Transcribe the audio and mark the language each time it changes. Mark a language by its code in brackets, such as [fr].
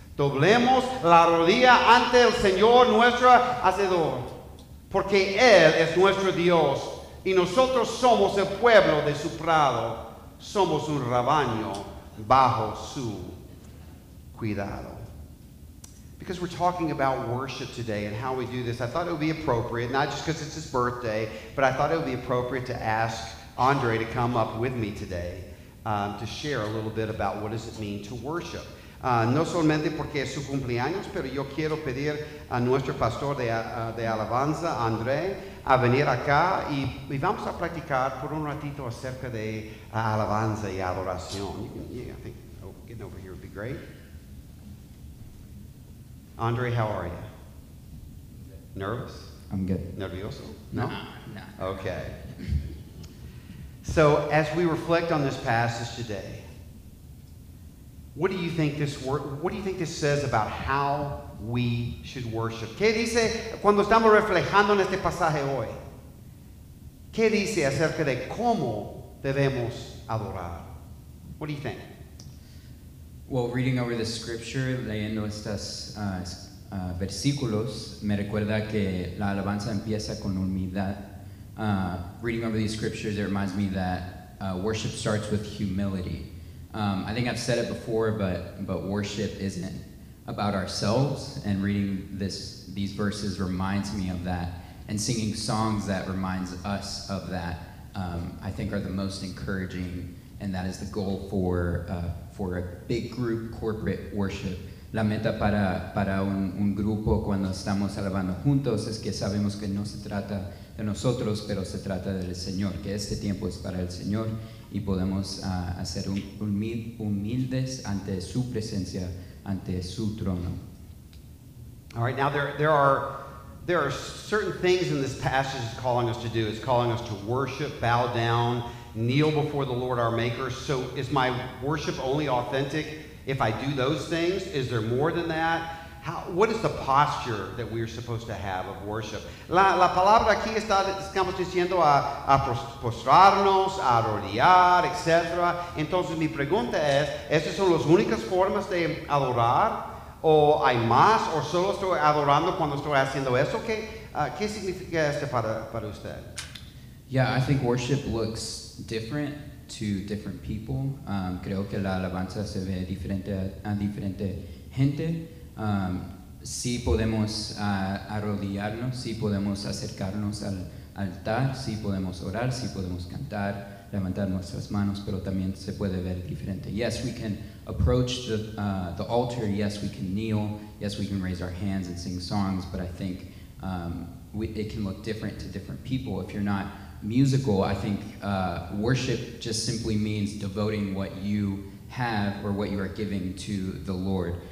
[es] Doblemos la rodilla ante el Señor nuestro Hacedor, porque Él es nuestro Dios, y nosotros somos el pueblo de su prado, somos un rebaño bajo su cuidado. [en] Because we're talking about worship today and how we do this, I thought it would be appropriate, not just because it's his birthday, but I thought it would be appropriate to ask Andre to come up with me today to share a little bit about what does it mean to worship. [es] No solamente porque es su cumpleaños, pero yo quiero pedir a nuestro pastor de alabanza, André, a venir acá y vamos a practicar por un ratito acerca de alabanza y adoración. [en] Getting over here would be great. André, how are you? Nervous? I'm good. [es] Nervioso? No? [en] No. Okay. So as we reflect on this passage today, what do you think this says about how we should worship? [es] ¿Qué dice cuando estamos reflejando en este pasaje hoy? ¿Qué dice acerca de cómo debemos adorar? [en] What do you think? Well, reading over the scripture, [es] leyendo estos versículos, me recuerda que la alabanza empieza con humildad. [en] Reading over these scriptures, it reminds me that worship starts with humility. I think I've said it before, but worship isn't about ourselves. And reading these verses reminds me of that. And singing songs that reminds us of that, I think, are the most encouraging. And that is the goal for a big group corporate worship. [es] La meta para un grupo cuando estamos alabando juntos es que sabemos que no se trata de nosotros, pero se trata del Señor. Que este tiempo es para el Señor. y podemos hacer humildes ante su presencia, ante su trono. [en] All right, now there are certain things in this passage it's calling us to do. It's calling us to worship, bow down, kneel before the Lord our Maker. So is my worship only authentic if I do those things? Is there more than that? What is the posture that we are supposed to have of worship? [es] La palabra aquí está, estamos diciendo a postrarnos, a rodear, etc. Entonces mi pregunta es, ¿estas son las únicas formas de adorar? ¿O hay más? ¿O solo estoy adorando cuando estoy haciendo eso? ¿Qué significa esto para usted? [en] Yeah, I think worship looks different to different people. [es] Creo que la alabanza se ve diferente a diferente gente. Sí podemos arrodillarnos, sí podemos acercarnos al altar, sí podemos orar, sí podemos cantar, levantar nuestras manos, pero también se puede ver diferente. [en] Yes, we can approach the altar. Yes, we can kneel. Yes, we can raise our hands and sing songs. But I think it can look different to different people. If you're not musical, I think worship just simply means devoting what you have or what you are giving to the Lord.